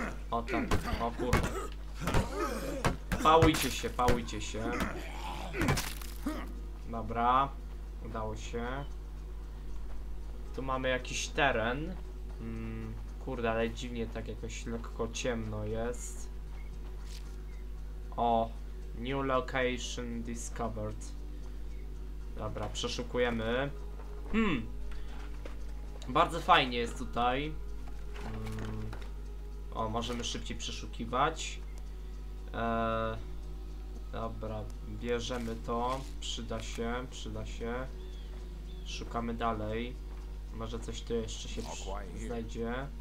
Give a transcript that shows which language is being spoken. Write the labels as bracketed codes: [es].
[pl] O tak, o kurde. Pałujcie się, pałujcie się. Dobra. Udało się. Tu mamy jakiś teren. Kurde, ale dziwnie tak jakoś lekko ciemno jest. O. [en] New location discovered. [pl] Dobra, przeszukujemy. Bardzo fajnie jest tutaj. O, możemy szybciej przeszukiwać. Dobra, bierzemy to. Przyda się. Szukamy dalej. Może coś tu jeszcze się znajdzie.